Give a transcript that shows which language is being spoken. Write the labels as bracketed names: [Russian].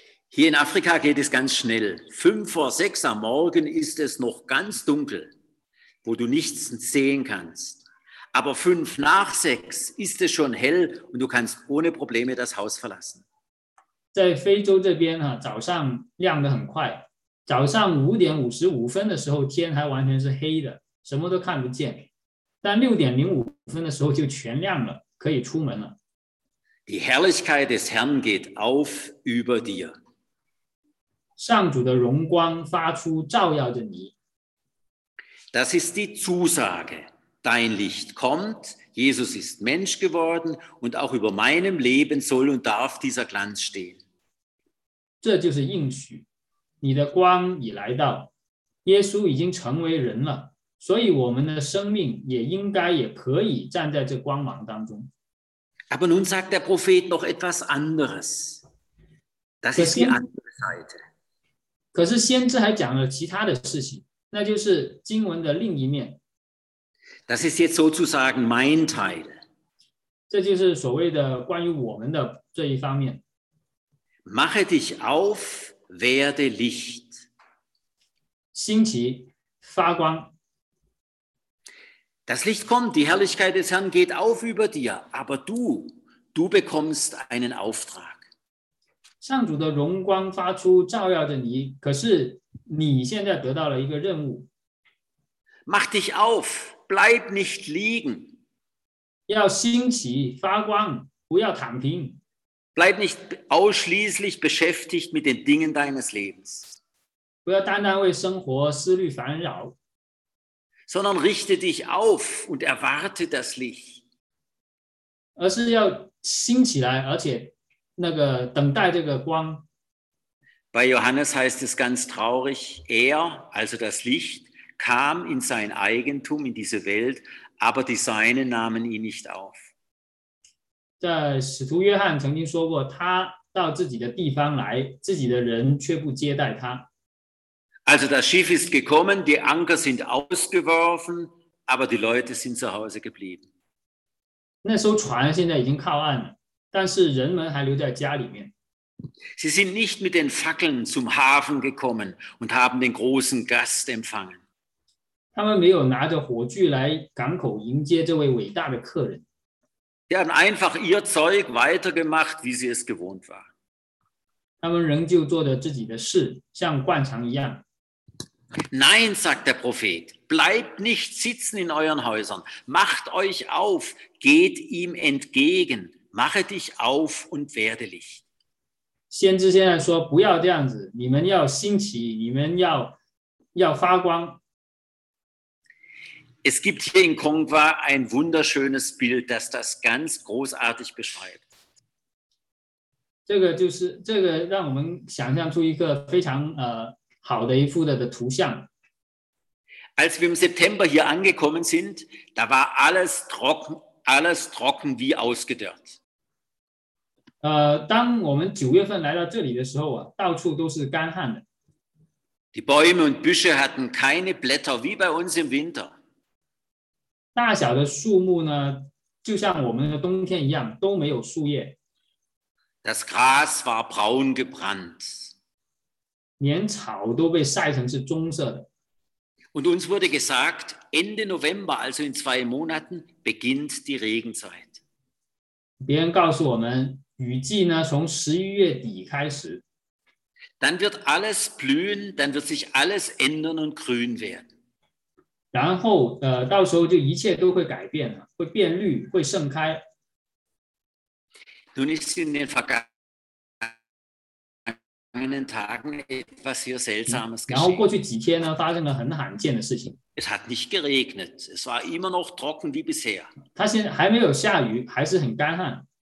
[German] Hier in Afrika geht es ganz schnell. 5:05 am Morgen ist es noch ganz dunkel, wo du nichts sehen kannst. Aber 5:05 ist es schon hell und du kannst ohne Probleme das Haus verlassen. [Chinese] 在非洲这边啊，早上亮得很快。早上5:55的时候，天还完全是黑的，什么都看不见。但6:05的时候就全亮了，可以出门了。 [German] Die Herrlichkeit des Herrn geht auf über dir. [Chinese] 上主的荣光发出，照耀着你。 [German] Das ist die Zusage. Dein Licht kommt, Jesus ist Mensch geworden und auch über meinem Leben soll und darf dieser Glanz stehen. [Chinese] 这就是应许，你的光已来到，耶稣已经成为人了，所以我们的生命也应该也可以站在这光芒当中。 [German] Aber nun sagt der Prophet noch etwas anderes. Das ist die andere Seite. [Chinese] 可是先知还讲了其他的事情，那就是经文的另一面。 [German] Das ist jetzt sozusagen mein Teil. [Chinese] 这就是所谓的关于我们的这一方面。 [German] Mache dich auf, werde Licht. [Chinese] 兴起，发光。 [German] Das Licht kommt, die Herrlichkeit des Herrn geht auf über dir, aber du bekommst einen Auftrag. [Chinese] 上主的荣光发出，照耀着你，可是你现在得到了一个任务。 [German] Mach dich auf. Bleib nicht liegen. [Chinese] 要兴起发光，不要躺平。 [German] Bleib nicht ausschließlich beschäftigt mit den Dingen deines Lebens. [Chinese] 不要单单为生活思虑烦扰。 [German] Sondern richte dich auf und erwarte das Licht. [Chinese] 而是要兴起来，而且那个等待这个光。 [German] Bei Johannes heißt es ganz traurig, er, also das Licht, kam in sein Eigentum, in diese Welt, aber die Seinen nahmen ihn nicht auf. [Chinese] 在使徒约翰曾经说过，他到自己的地方来，自己的人却不接待他。 [German] Also das Schiff ist gekommen, die Anker sind ausgeworfen, aber die Leute sind zu Hause geblieben. [Chinese] 那艘船现在已经靠岸了，但是人们还留在家里面。 [German] Sie sind nicht mit den Fackeln zum Hafen gekommen und haben den großen Gast empfangen. [Chinese] 他们没有拿着火炬来港口迎接这位伟大的客人。 [German] Sie haben einfach ihr Zeug weitergemacht, wie sie es gewohnt waren. [Chinese] 他们仍旧做着自己的事，像惯常一样。 [German] Nein, sagt der Prophet, bleibt nicht sitzen in euren Häusern. Macht euch auf, geht ihm entgegen. Mache dich auf und werde Licht. [Chinese] 先知现在说，不要这样子，你们要兴起，你们要发光。 [German] Es gibt hier in Kongwa ein wunderschönes Bild, das das ganz großartig beschreibt. [Chinese] 这个让我们想象出一个非常好的一幅的图像。 [German] Als wir im September hier angekommen sind, da war alles trocken wie ausgedörrt. [Chinese] 当我们九月份来到这里的时候啊，到处都是干旱的。 [German] Die Bäume und Büsche hatten keine Blätter wie bei uns im Winter. [Chinese] 大小的树木呢，就像我们的冬天一样，都没有树叶。 [German] Das Gras war braun gebrannt. [Chinese] 连草都被晒成是棕色的。 [German] Und uns wurde gesagt, Ende November, also in 2 Monaten, beginnt die Regenzeit. [Chinese] 别人告诉我们，雨季呢，从11月底开始。 [German] Dann wird alles blühen, dann wird sich alles ändern und grün werden. [Chinese] 然后，到时候就一切都会改变了，会变绿，会盛开。 [German] Nun ist in den vergangenen Tagen etwas sehr Seltsames geschehen. [Chinese] 然后过去几天呢，发生了很罕见的事情。 [German] Es hat nicht geregnet, es war immer noch trocken wie bisher. [Chinese] 它现在还没有下雨，还是很干旱。